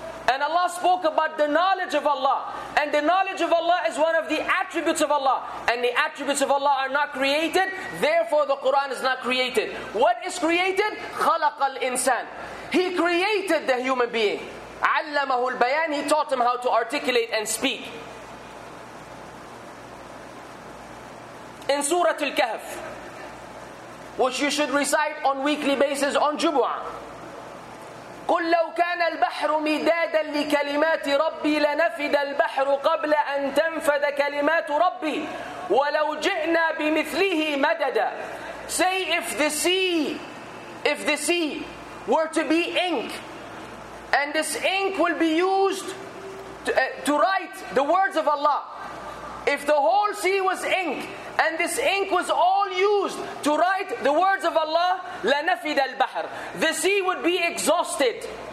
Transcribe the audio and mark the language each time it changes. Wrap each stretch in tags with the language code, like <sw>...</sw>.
<en>And Allah spoke about the knowledge of Allah. And the knowledge of Allah is one of the attributes of Allah. And the attributes of Allah are not created. Therefore the Quran is not created. What is created?</en> <ar>خلق الإنسان.</ar> <en>He created the human being.</en> <ar>عَلَّمَهُ الْبَيَانِ,</ar> <en>He taught him how to articulate and speak. In Surah Al-Kahf, which you should recite on weekly basis on Jumu'ah,</en> <ar>قُلْ لَوْ كَانَ الْبَحْرُ مِدَادًا لِكَلِمَاتِ رَبِّي لَنَفِدَ الْبَحْرُ قَبْلَ أَنْ تَنْفَدَ كَلِمَاتُ رَبِّي وَلَوْ جِئْنَا بِمِثْلِهِ مَدَدًا.</ar> <en>Say, if the sea were to be ink, and this ink will be used to write the words of Allah, if the whole sea was ink, and this ink was all used to write the words of Allah,</en> <ar>لَنَفِدَ الْبَحْرِ,</ar> <en>the sea would be exhausted.</en>